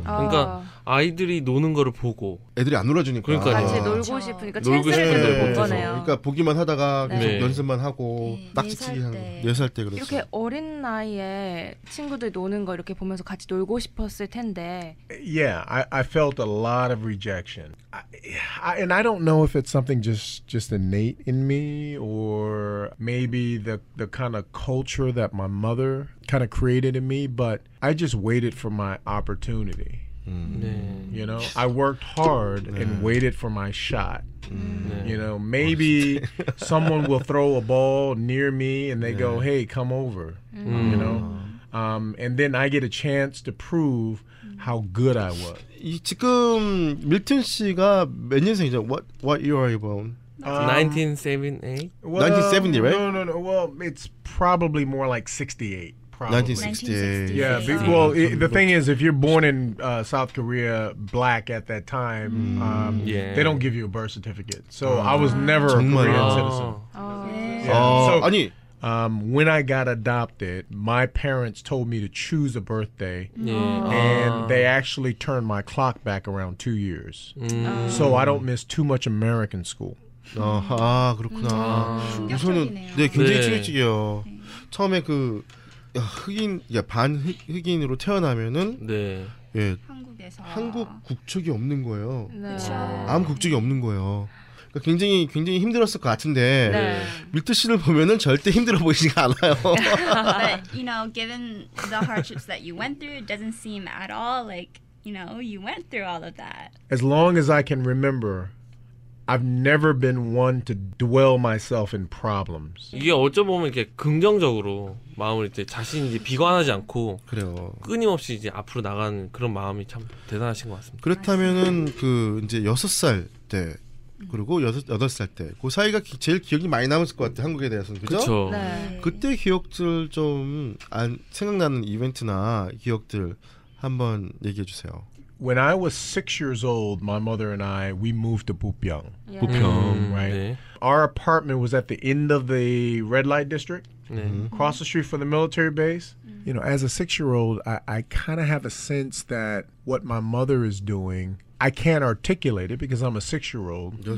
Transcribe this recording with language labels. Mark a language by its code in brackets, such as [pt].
[ko] 그러니까 아이들이 노는 거를 보고 애들이 안 놀아 주니까 그러니까 같이 놀고 싶으니까 놀고 싶은 걸 못 보네요. 그러니까 보기만 하다가 계속 네. 연습만 하고 딱지치기 하는 네 살 때 그랬어. 이렇게 어린 나이에 친구들 노는 거 이렇게 보면서 같이 놀고 싶었을 텐데. [en] Yeah, I felt a lot of rejection. I don't know if it's something just innate in me or maybe the kind of culture that my mother kind of created in me, but I just waited for my opportunity. Mm. 네. You know, I worked hard 네. and waited for my shot. Mm. 네. You know, maybe someone will throw a ball near me and they 네. go, hey, come over. Mm. You know, and then I get a chance to prove how good I was. [ko] 이 지금 밀튼 씨가 몇 년생이죠? [en] What year are you born? 1978? Well, 1970, right? No, no, no. Well, it's probably more like 68. Probably. 1960. Yeah, be, well, it, the thing is, if you're born in South Korea black at that time, yeah. they don't give you a birth certificate. So I was never a Korean citizen. Oh. Yeah. Oh. So, when I got adopted, my parents told me to choose a birthday, and they actually turned my clock back around 2 years. So I don't miss too much American school. [ko] 아, 그렇구나. 우선은 네, 굉장히 충격적이에요. 처음에 그 흑인, 야, 반 흑인으로 태어나면은 네. 예, 한국 국적이 없는 거예요. 네. 아무 국적이 없는 거예요. 그러니까 굉장히 굉장히 힘들었을 것 같은데 네. 밀트 씨를 보면은 절대 힘들어 보이지가 않아요. [en] But you know, given the hardships that you went through, it doesn't seem at all like you know you went through all of that. As long as I can remember, I've never been one to dwell myself in problems. [ko] 이게 어쩌면 이렇게 긍정적으로 마음을 이제 자신이 이제 비관하지 않고 그래요. 끊임없이 이제 앞으로 나가는 그런 마음이 참 대단하신 것 같습니다. 그렇다면은 그 이제 6살 때 그리고 8살 때 그 사이가 제일 기억이 많이 남았을 것 같아요. 한국에 대해서는 그렇죠? 그쵸? 네. 그때 기억들 좀 안 생각나는 이벤트나 기억들 한번 얘기해 주세요. [en] When I was 6 years old, my mother and I, we moved to Bukbyeong. Yeah. Bukbyeong, right? 네. Our apartment was at the end of the red light district, [ko] 네. [en] across the street from the military base. You know, as a 6-year-old, I kind of have a sense that what my mother is doing, I can't articulate it because I'm a 6-year-old.